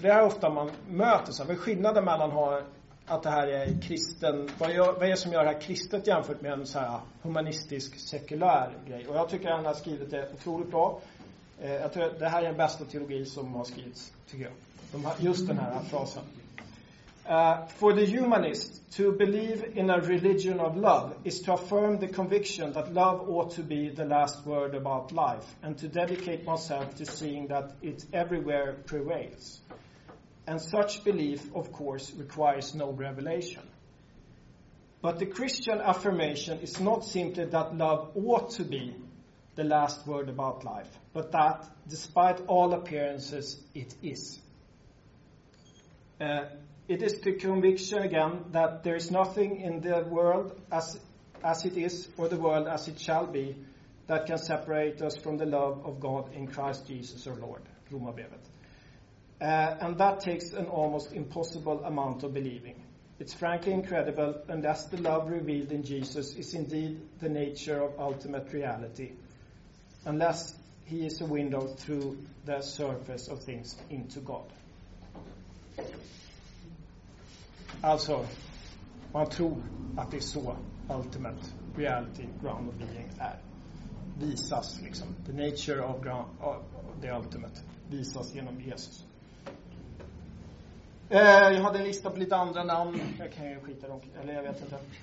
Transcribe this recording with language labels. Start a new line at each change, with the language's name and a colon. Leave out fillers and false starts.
Swedish: För det är ofta man möter så här, vad är skillnaden mellan att det här är kristen, vad är det som gör det här kristet jämfört med en så här humanistisk, sekulär grej? Och jag tycker att han har skrivit det otroligt bra. Jag tror att det här är den bästa teologi som har skrivits, tycker jag. Just den här frasen.
English: For the humanist, to believe in a religion of love is to affirm the conviction that love ought to be the last word about life and to dedicate oneself to seeing that it everywhere prevails. And such belief, of course, requires no revelation. But the Christian affirmation is not simply that love ought to be the last word about life, but that, despite all appearances, it is. It is the conviction, again, that there is nothing in the world as it is, or the world as it shall be, that can separate us from the love of God in Christ Jesus our Lord. Romarbrevet. And that takes an almost impossible amount of believing. It's frankly incredible, unless the love revealed in Jesus is indeed the nature of ultimate reality, unless he is a window through the surface of things into God.
Swedish: Alltså, man tror att det är så
English: ultimate reality, ground of being,
Swedish: är. Visas liksom.
English: The nature of ground, the ultimate,
Swedish: visas genom Jesus. Jag hade en lista på lite andra namn. Jag kan ju skita dem. Eller jag vet inte.